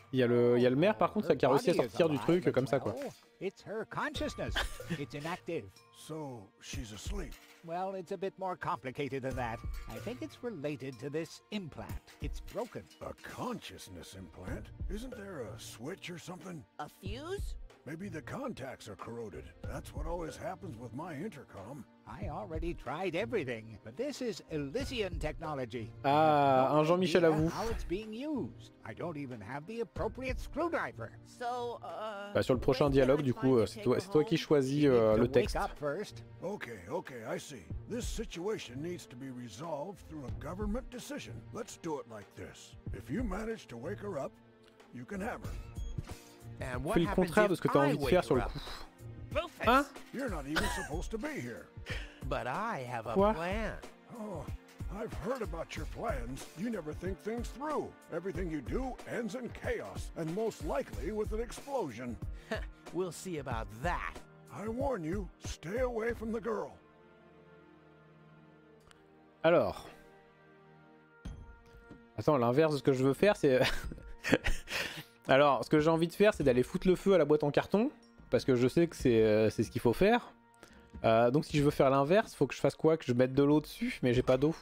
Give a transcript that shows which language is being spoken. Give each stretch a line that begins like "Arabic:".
French: Il y a le maire par contre qui a réussi à sortir du truc comme ça quoi.
English: It's her consciousness. It's inactive. So she's asleep. Well, it's a bit more complicated than that. I think it's related to this implant. It's broken. A consciousness implant? Isn't there a switch or something? A fuse? Maybe the contacts are corroded. That's what always happens with my intercom. I already tried everything, but this is Elysium technology.
French: Ah, un Jean-Michel à vous.
English: How it's being used. I don't even have the appropriate screwdriver. So,
French: Bah sur le prochain dialogue du coup, c'est toi qui choisis le texte.
English: Okay, I see. This situation needs to be resolved through a government decision. Let's do it like this. If you manage to wake her up, you can have her.
French: Fais le contraire de ce que t'as envie de faire sur le coup. Hein?
English: You're not even supposed to be here. But I have a plan. Oh, I've heard about your plans. You never think things through. Everything you do ends in chaos, and most likely with an explosion. We'll see about that. I warn you, stay away from the girl.
French: Alors. Attends, l'inverse de ce que je veux faire, c'est... Alors, ce que j'ai envie de faire, c'est d'aller foutre le feu à la boîte en carton, parce que je sais que c'est ce qu'il faut faire. Donc si je veux faire l'inverse, faut que je fasse quoi? Que je mette de l'eau dessus, mais j'ai pas d'eau.